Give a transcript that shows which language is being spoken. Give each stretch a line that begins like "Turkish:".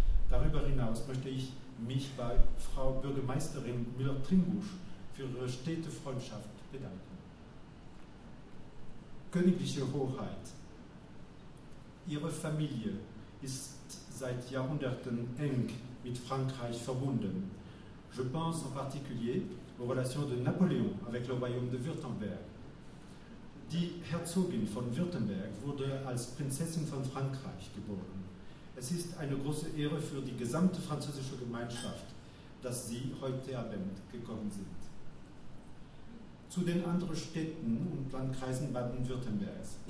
German: Darüber hinaus möchte ich mich bei Frau Bürgermeisterin Müller-Tringusch für ihre stete Freundschaft bedanken. Königliche Hoheit, Ihre Familie ist seit Jahrhunderten eng mit Frankreich verbunden.
French: Je pense en particulier aux relations de Napoléon avec le royaume de Württemberg.
German: Die Herzogin von Württemberg wurde als Prinzessin von Frankreich geboren. Es ist eine große Ehre für die gesamte französische Gemeinschaft, dass Sie heute Abend gekommen sind. Zu den anderen Städten und Landkreisen Baden-Württembergs.